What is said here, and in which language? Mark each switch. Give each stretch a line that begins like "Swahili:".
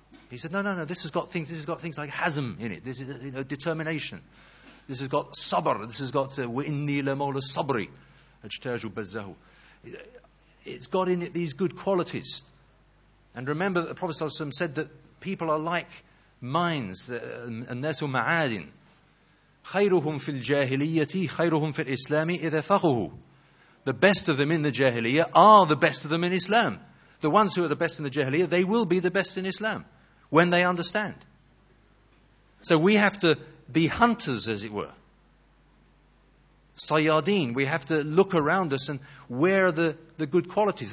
English: He said, no, this has got things like hazm in it. This is, you know, determination. This has got sabr. This has got
Arabic: wa'inni lamawla sabri, ajtaju bazzahu.
English: It's got in it these good qualities. And remember that the Prophet ﷺ said that people are like mines,
Arabic: annasu ma'adin. خيرهم في الجاهلية خيرهم في الإسلام إذا فقهوا.
English: The best of them in the jahiliya are the best of them in Islam. The ones who are the best in the jahiliya, they will be the best in Islam when they understand. So we have to be hunters, as it were. Sayyadin, we have to look around us and where are the good qualities.